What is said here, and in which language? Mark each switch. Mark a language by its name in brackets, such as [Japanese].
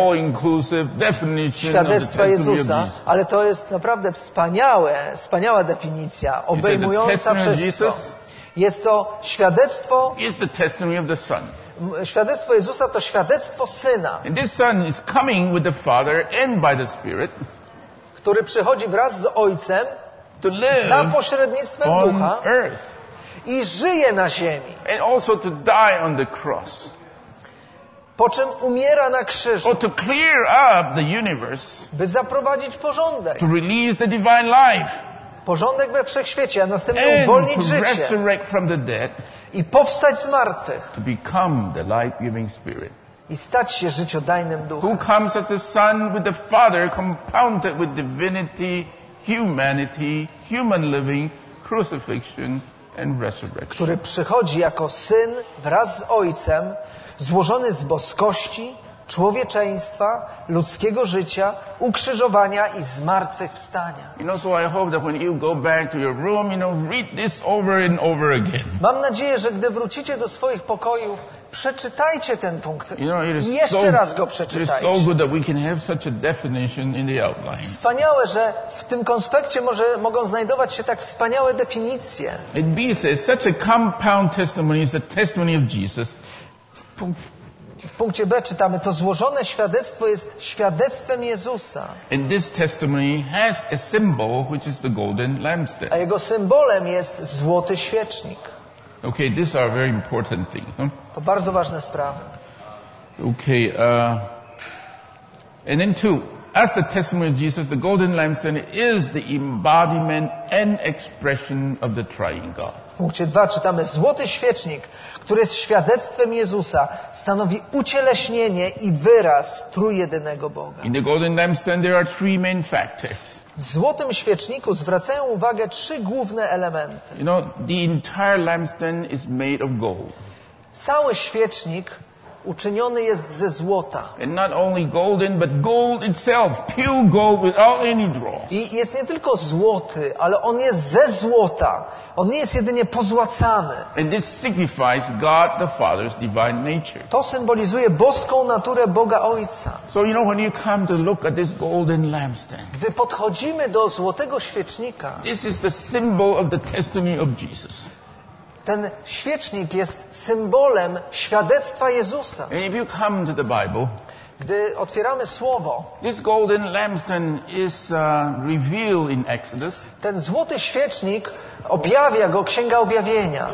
[English] All-inclusive definition of the testimony [Polish] Jezusa, [English] of Jesus. [Polish] Ale to jest naprawdę wspaniała definicja, obejmująca wszystko. Jest to świadectwo. [English] Is the testimony of the Son. [Polish] Świadectwo Jezusa to świadectwo Syna. [English] And this Son is coming with the Father and by the Spirit. [Polish] Który przychodzi wraz z Ojcem. [English] To live [Polish] za pośrednictwem [English] on [Polish] Ducha [English] earth. [Polish] I żyje na ziemi. [English] And also to die on the cross. [Polish] Po czym umiera na krzyżu. [English] Or to clear up the universe, [Polish] by zaprowadzić porządek. [English] To release the divine life. [Polish] Porządek we wszechświecie, a następnie uwolnić [English] to [Polish] życie. [English] Resurrect from the dead, [Polish] i powstać z martwych. [English] To become the life-giving spirit. [Polish] I stać się życiodajnym duchem. [English] Who comes as the Son with the Father compounded with divinity, humanity, human living, crucifixion and resurrection. [Polish] Który przychodzi jako Syn wraz z Ojcem, złożony z boskości, człowieczeństwa, ludzkiego życia, ukrzyżowania i zmartwychwstania. [English] You know, so I hope that when you go back to your room, you know, read this over and over again. [Polish] Mam nadzieję, że gdy wrócicie do swoich pokojów, przeczytajcie ten punkt. [English] You know, it is [Polish] jeszcze [English] so, [Polish] raz go przeczytajcie. [English] It is so good that we can have such a definition in the outline. [Polish] Wspaniałe, że w tym konspekcie mogą znajdować się tak wspaniałe definicje. [English] It means that such a compound testimony is the testimony of Jesus. [Polish] W punkcie B czytamy, to złożone świadectwo jest świadectwem Jezusa. [English] And this testimony has a symbol, which is the golden lampstand. [Polish] A jego symbolem jest złoty świecznik. [English] Okay, these are very important things. Huh? [Polish] To bardzo ważne sprawy. [English] Okay, and then two, as the testimony of Jesus, the golden lampstand is the embodiment and expression of the triune God. [Polish] W punkcie 2 czytamy, złoty świecznik, który jest świadectwem Jezusa, stanowi ucieleśnienie i wyraz trójjedynego Boga. [English] In the golden lampstand there are three main factors. [Polish] W złotym świeczniku zwracają uwagę trzy główne elementy. [English] You know, the entire lampstand is made of gold. [Polish] Cały świecznik uczyniony jest ze złota. [English] And not only golden, but gold itself, pure gold without any dross. [Polish] I jest nie tylko złoty, ale on jest ze złota. On nie jest jedynie pozłacany. [English] And this signifies God the Father's divine nature. [Polish] To symbolizuje boską naturę Boga Ojca. [English] So you know when you come to look at this golden lampstand. [Polish] Gdy podchodzimy do złotego świecznika. [English] This is the symbol of the testimony of Jesus. [Polish] Ten świecznik jest symbolem świadectwa Jezusa. [English] And if you come to the Bible, [Polish] gdy otwieramy słowo, [English] this golden lampstand is revealed in Exodus. [Polish] Ten złoty świecznik objawia go Księga Objawienia.